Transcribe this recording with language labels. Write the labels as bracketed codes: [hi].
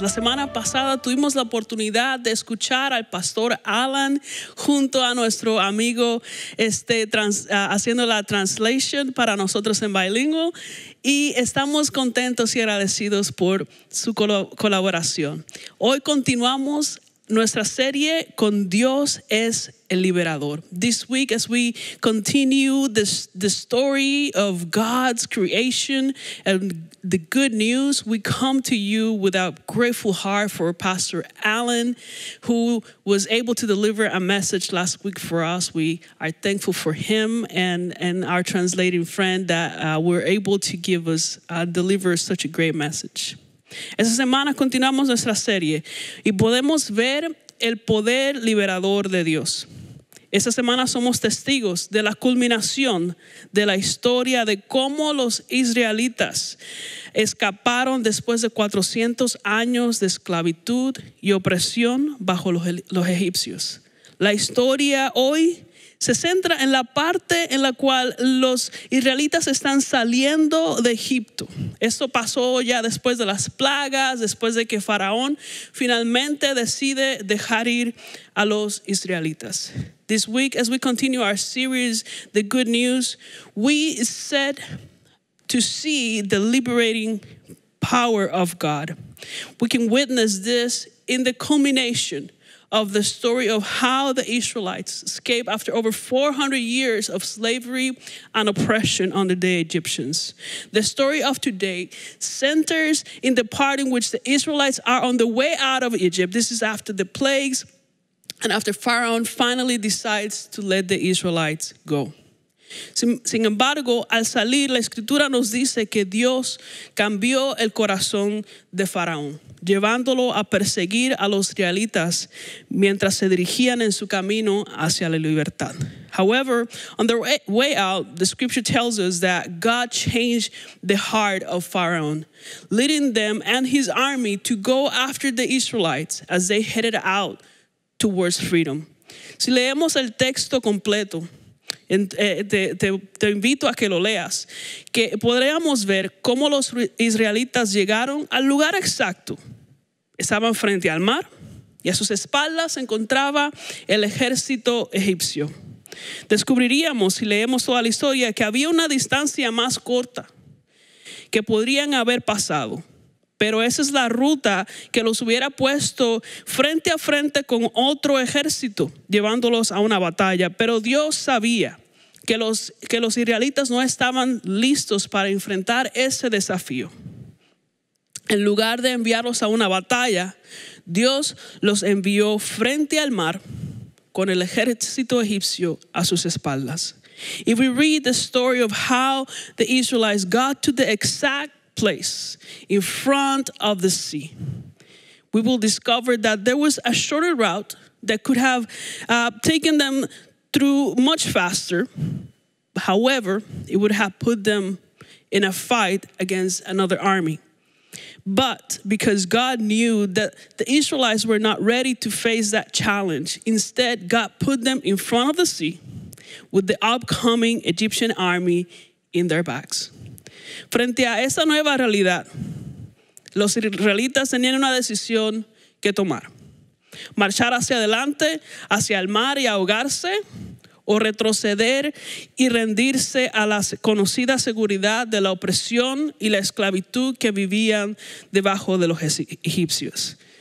[es] La semana pasada tuvimos la oportunidad de escuchar al pastor Alan junto a nuestro amigo [en] haciendo la translation [es] para nosotros [en] en bilingual, [es] y estamos contentos y agradecidos por su colaboración. Hoy continuamos Nuestra serie con Dios es el liberador. [en] This week, as we continue the story of God's creation and the good news, we come to you with a grateful heart for Pastor Alan, who was able to deliver a message last week for us. We are thankful for him and our translating friend that were able to give us deliver such a great message. [es] Esta semana continuamos nuestra serie y podemos ver el poder liberador de Dios. Esta semana somos testigos de la culminación de la historia de cómo los israelitas escaparon después de 400 años de esclavitud y opresión bajo los egipcios. La historia hoy se centra en la parte en la cual los israelitas están saliendo de Egipto. Esto pasó ya después de las plagas, después de que Faraón finalmente decide dejar ir a los israelitas. [en] This week, as we continue our series, The Good News, we set to see the liberating power of God. We can witness this in the culmination of the story of how the Israelites escaped after over 400 years of slavery and oppression under the Egyptians. The story of today centers in the part in which the Israelites are on the way out of Egypt. This is after the plagues and after Pharaoh finally decides to let the Israelites go. [es] Sin embargo, al salir, la Escritura nos dice que Dios cambió el corazón de Faraón, llevándolo a perseguir a los israelitas mientras se dirigían en su camino hacia la libertad. [en] However, on the way out, the scripture tells us that God changed the heart of Pharaoh, leading them and his army to go after the Israelites as they headed out towards freedom. [es] Si leemos el texto completo, te invito a que lo leas, que podríamos ver cómo los israelitas llegaron al lugar exacto. Estaban frente al mar y a sus espaldas se encontraba el ejército egipcio. Descubriríamos, si leemos toda la historia, que había una distancia más corta que podrían haber pasado. Pero esa es la ruta que los hubiera puesto frente a frente con otro ejército, llevándolos a una batalla. Pero Dios sabía que los israelitas no estaban listos para enfrentar ese desafío. En lugar de enviarlos a una batalla, Dios los envió frente al mar con el ejército egipcio a sus espaldas. [en] If we read the story of how the Israelites got to the exact place in front of the sea, we will discover that there was a shorter route that could have taken them through much faster. However, it would have put them in a fight against another army. But because God knew that the Israelites were not ready to face that challenge, instead, God put them in front of the sea with the upcoming Egyptian army in their backs. [es] Frente a esa nueva realidad, los israelitas tenían una decisión que tomar: marchar hacia adelante, hacia el mar y ahogarse, o retroceder y rendirse a la conocida seguridad de la opresión y la esclavitud que vivían debajo de los egipcios.